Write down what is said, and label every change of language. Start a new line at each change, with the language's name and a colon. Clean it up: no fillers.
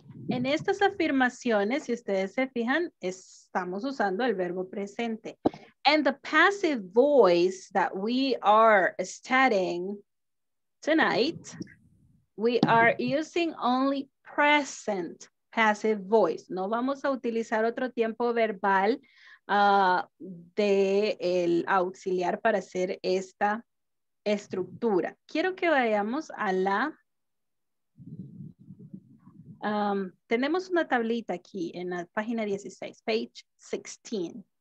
Spanish: En estas afirmaciones, si ustedes se fijan, estamos usando el verbo presente.
English: And the passive voice that we are studying tonight, we are using only present passive voice.
Spanish: No vamos a utilizar otro tiempo verbal de el auxiliar para hacer esta estructura. Quiero que vayamos a la... tenemos una tablita aquí en la página 16,
English: page 16.